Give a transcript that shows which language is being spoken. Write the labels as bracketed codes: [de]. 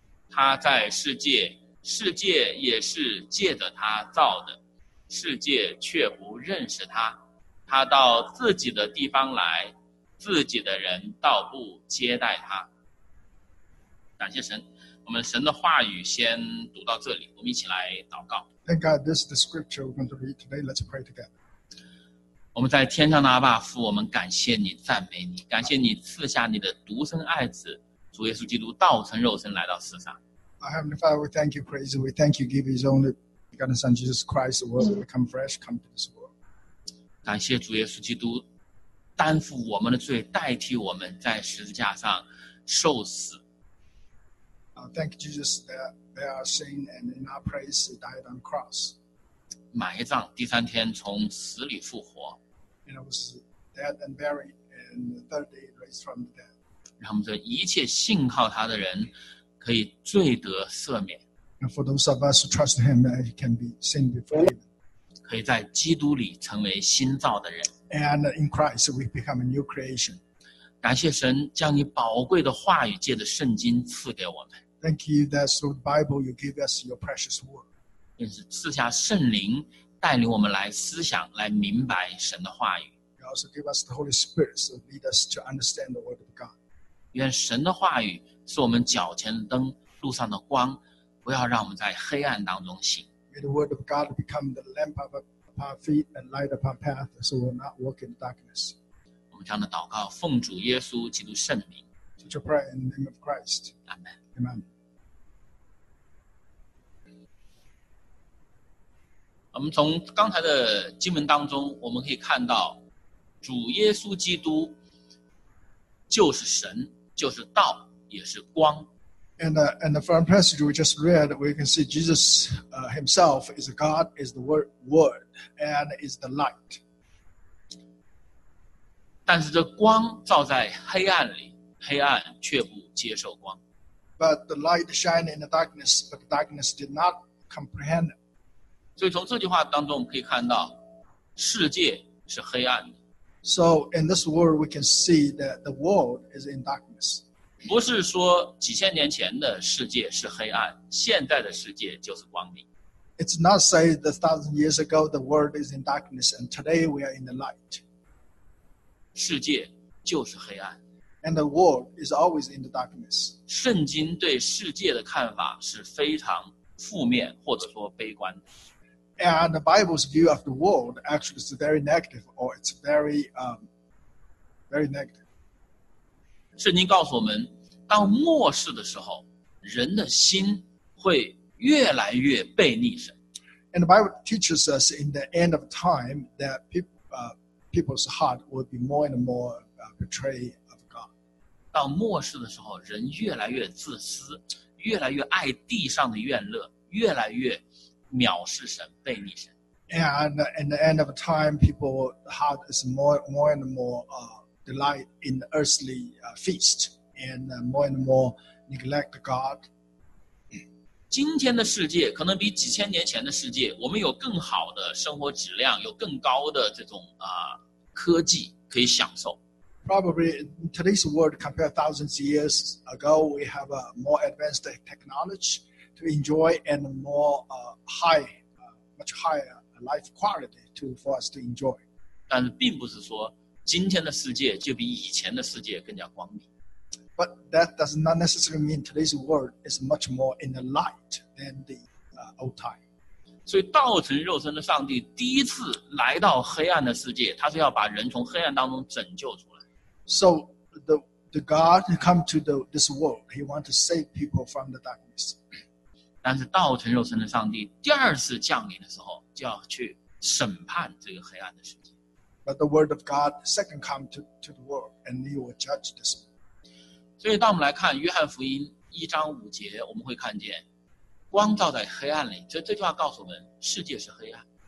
[zh] 他在世界，世界也是借着他造的，世界却不认识他。他到自己的地方来，自己的人倒不接待他。感谢神，我们神的话语先读到这里，我们一起来祷告。 [en] Thank God, this is the scripture we're going to read today. Let's pray together. [zh] 我们在天上的阿爸父，我们感谢你，赞美你，感谢你赐下你的独生爱子主耶稣基督道成肉身来到世上。 [en] Our Heavenly Father, we thank you, praise, we thank you, give his only begotten Son Jesus Christ, the world will become fresh, come to this world. [zh] 感谢主耶稣基督担负我们的罪，代替我们在十字架上受死。 [en] Thank you, Jesus, that bear our sin and in our place died on cross. [zh] 埋葬，第三天从死里复活。 [en] And it was dead and buried, and the third day raised from the dead. [zh] 让我们这一切信靠他的人可以罪得赦免。 [en] And for those of us who trust him, that he can be sin be forgiven. [zh] 可以在基督里成为新造的人。 [en] And in Christ, we become a new creation. [zh] 感谢神将你宝贵的话语借着圣经赐给我们。 [en] Thank you that through the Bible you give us your precious word. [zh] 便是赐下圣灵带领我们来思想，来明白神的话语。 [en] You also give us the Holy Spirit to lead us to understand the word of God. [zh] 愿神的话语是我们脚前的灯，路上的光，不要让我们在黑暗当中行。 [en] May the word of God become the lamp upon our feet and light upon path, so we will not walk in darkness. [zh] 我们这样的祷告奉主耶稣基督圣名。 [en] Such a prayer in the name of Christ. Amen. Amen. [zh] 我们从刚才的经文当中，我们可以看到主耶稣基督就是神，就是道，也是光。 [en] And the first passage we just read, we can see Jesus himself is God, is the word, and is the light. [zh] 但是这光照在黑暗里，黑暗却不接受光。 [en] But the light shined in the darkness, but the darkness did not comprehend it. [zh] 所以从这句话当中，我们可以看到，世界是黑暗的。 [en] So in this world, we can see that the world is in darkness. [zh] 不是说几千年前的世界是黑暗，现在的世界就是光明。 [en] It's not say that thousand years ago the world is in darkness, and today we are in the light. [zh] 世界就是黑暗。 [en] And the world is always in the darkness. [zh] 圣经对世界的看法是非常负面或者说悲观的。 [en] And the Bible's view of the world actually is very negative or it's very, very negative. [zh] 圣经告诉我们，当末世的时候，人的心会越来越悖逆神。 [en] And the Bible teaches us in the end of time that people's heart will be more and more betray of God. [zh] 到末世的时候，人越来越自私，越来越爱地上的怨乐，越来越藐视神，背逆神。 [en] And in the end of time, people's heart is more and more delight in the earthly feast, and more and more neglect God. [zh] 今天的世界可能比几千年前的世界，我们有更好的生活质量，有更高的这种科技可以享受。 [en] Probably in today's world compared thousands of years ago, we have a more advanced technology to enjoy and more much higher life quality for us to enjoy. [zh] 但是并不是说今天的世界就比以前的世界更加光明。 [en] But that does not necessarily mean today's world is much more in the light than the old time. [zh] 所以道成肉身的上帝第一次来到黑暗的世界，他是要把人从黑暗当中拯救出来。 [en] So the God come to this world, he want to save people from the darkness. [zh] 但是道成肉身的上帝第二次降临的时候，就要去审判这个黑暗的世界。 [en] But the word of God second come to the world, and he will judge this world. [zh] 所以当我们来看约翰福音一章五节，我们会看见光照在黑暗里，这句话告诉我们，世界是黑暗。